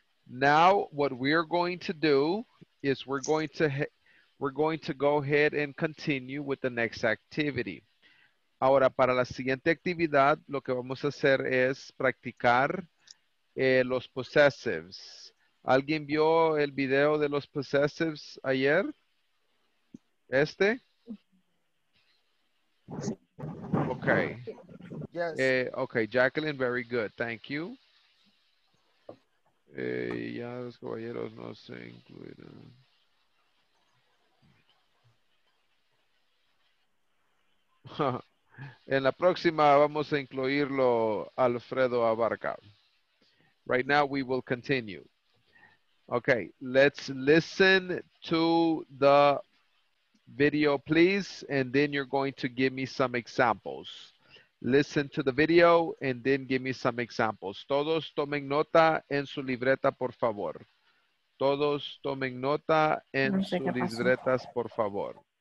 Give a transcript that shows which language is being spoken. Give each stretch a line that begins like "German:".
English: Now what we're going to do is we're going to go ahead and continue with the next activity.
Spanish: Ahora, para la siguiente actividad, lo que vamos a hacer es practicar los possessives. ¿Alguien vio el video de los possessives ayer? ¿Este?
English: Okay. Yes. Okay, Jacqueline, very good. Thank you.
Spanish: Ya los caballeros no se incluirán. En la próxima vamos a incluirlo Alfredo Abarca.
English: Right now we will continue. Okay, let's listen to the video, please, and then you're going to give me some examples. Listen to the video and then give me some examples.
Spanish: Todos tomen nota en su libreta, por favor. Todos tomen nota en sus libretas, por favor.